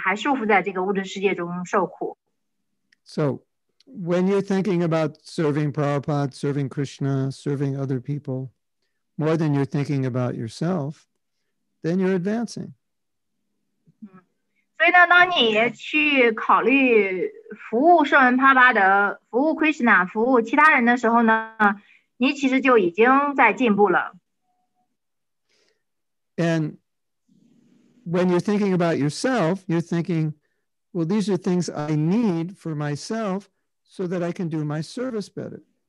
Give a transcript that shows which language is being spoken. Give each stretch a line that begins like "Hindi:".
Chinese: 所以呢，就是换句话说，Krishna就是提倡你要去服务于他人，因为呢，一世复一世的你都在服务于你自己，这就是为什么你现在还束缚在这个物质世界中受苦。
English: So when you're thinking about serving Prabhupada, serving Krishna, serving other people, more than you're thinking about yourself, then you're advancing.
Chinese: 所以呢，当你去考虑服务圣人帕巴德，服务 Krishna, 服务其他人的时候呢，你其实就已经在进步了。
English: And when you're thinking about yourself, you're thinking, well, these are things I need for myself so that I can do my service better.